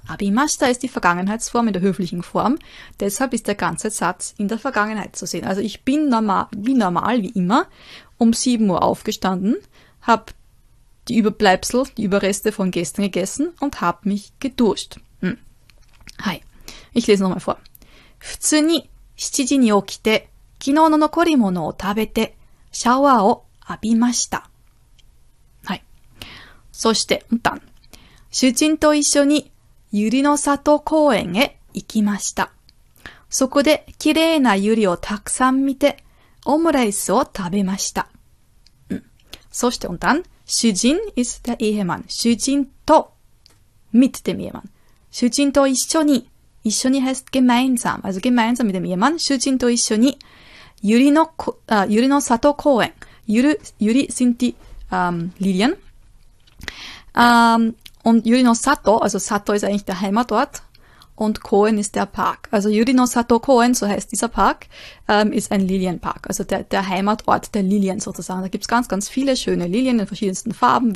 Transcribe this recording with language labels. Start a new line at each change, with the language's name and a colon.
German: Abimashita ist die Vergangenheitsform in der höflichen Form. Deshalb ist der ganze Satz in der Vergangenheit zu sehen. Also ich bin normal, wie immer, um 7 Uhr aufgestanden, habe die Überbleibsel, die Überreste von gestern gegessen und habe mich geduscht. Hi. Ich lese nochmal vor.
Japanese: Futsu ni 7時に起きて昨日の残り物を食べて、シャワーを浴びました。はい。そして、主人と一緒に百合の里公園へ行きました。そこで綺麗な百合をたくさん見て、オムライスを食べました。そして、主人
German: is the Ehemann。 主人と、mit dem Ehemann。
Japanese: 主人と一緒に、一緒に
German: heißt gemeinsam。 also gemeinsam mit dem Ehemann。
Japanese: 主人と一緒に、ゆりの里公園。
German: ゆり sind die, Lilien. Und ゆりの里, also 里 ist eigentlich der Heimatort. und Koen ist der Park. Also Yurinosato Koen, so heißt dieser Park, ist ein Lilienpark. Also der Heimatort der Lilien sozusagen. Da gibt es ganz, ganz viele schöne Lilien in verschiedensten Farben.